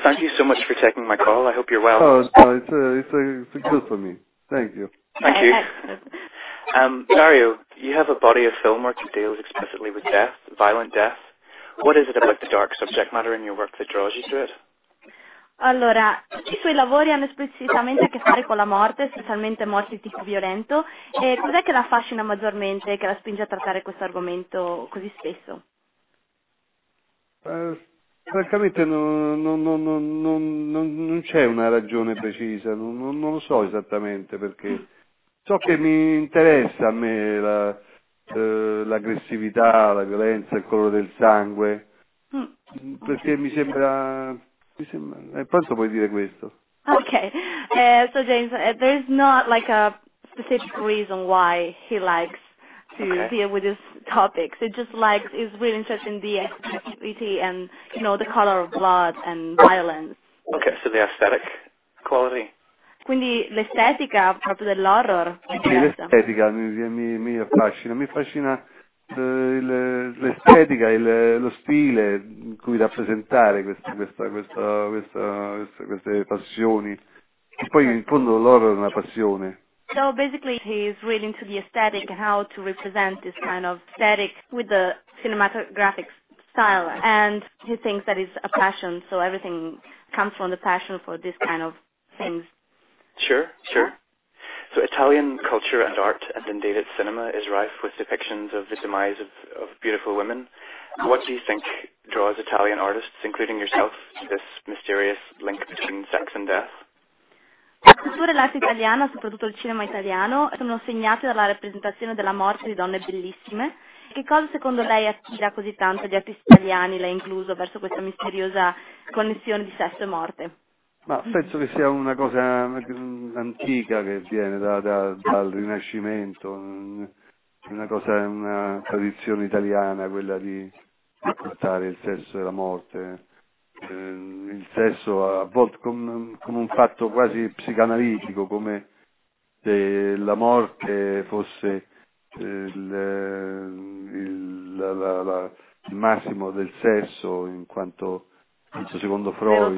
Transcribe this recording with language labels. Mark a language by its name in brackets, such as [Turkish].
[English] Thank you so much for taking my call. I hope you're well. Oh, it's a good for me. Thank you. Thank you. Dario, you have a body of film work that deals explicitly with death, violent death. What is it about the dark subject matter in your work that draws you to it? [Italian] Allora, tutti i suoi lavori hanno esplicitamente a che fare con la morte, specialmente morti di tipo violento. E cos'è che la affascina maggiormente e che la spinge a trattare questo argomento così spesso? Francamente non c'è una ragione precisa, non lo so esattamente perché. So che mi interessa a me l'aggressività, la violenza, il colore del sangue, perché mi sembra... Quanto puoi dire questo? [English] Okay, so James, there is not like a specific reason why he likes to deal with these topics. It just like is really interested in the aesthetic and you know the color of blood and violence. Okay, so the aesthetic quality. [Italian] Quindi l'estetica proprio dell'horror. Sì, l'estetica mi affascina, mi affascina l'estetica, lo stile in cui rappresentare queste passioni. E poi in fondo l'horror è una passione. [English] So basically he is really into the aesthetic and how to represent this kind of aesthetic with the cinematographic style. And he thinks that it's a passion, so everything comes from the passion for this kind of things. Sure, sure. So Italian culture and art, and indeed its cinema, is rife with depictions of the demise of beautiful women. What do you think draws Italian artists, including yourself, to this mysterious link between sex and death? [Italian] La cultura e l'arte italiana, soprattutto il cinema italiano, sono segnate dalla rappresentazione della morte di donne bellissime. Che cosa secondo lei attira così tanto gli artisti italiani, lei incluso, verso questa misteriosa connessione di sesso e morte? Ma penso che sia una cosa antica che viene dal Rinascimento, una tradizione italiana quella di portare il sesso e la morte, il sesso a volte come un fatto quasi psicanalitico, come se la morte fosse il massimo del sesso in quanto secondo Freud.